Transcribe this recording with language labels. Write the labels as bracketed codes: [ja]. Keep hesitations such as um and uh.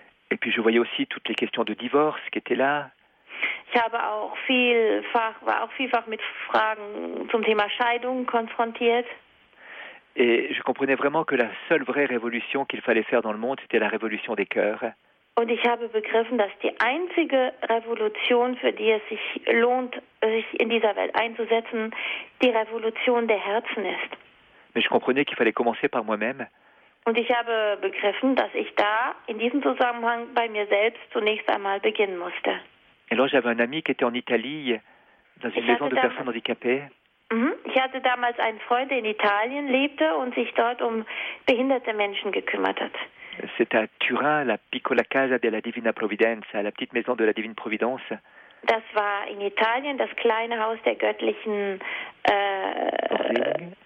[fr] Et puis je voyais aussi toutes les questions de divorce qui étaient là, [de] Ich habe auch vielfach, war auch vielfach mit Fragen zum Thema Scheidung konfrontiert. [fr] et je comprenais vraiment que la seule vraie révolution qu'il fallait faire dans le monde, c'était la révolution des cœurs. [de] Und ich habe begriffen, dass die einzige Revolution, für die es sich lohnt, sich in dieser Welt einzusetzen, die Revolution der Herzen ist. [fr] Mais je comprenais qu'il fallait commencer par moi-même, [de] Und ich habe begriffen, dass ich da in diesem Zusammenhang bei mir selbst zunächst einmal beginnen musste. [fr] Et alors j'avais un ami qui était en Italie, dans une Et maison de j'avais- personnes handicapées. Mhm. [de] Ich hatte damals einen Freund, der in Italien lebte und sich dort um behinderte Menschen gekümmert hat. [fr] C'est à Turin, la Piccola Casa della Divina Providenza, la petite maison de la Divine Providence. [de] Das war in Italien das kleine Haus der göttlichen äh,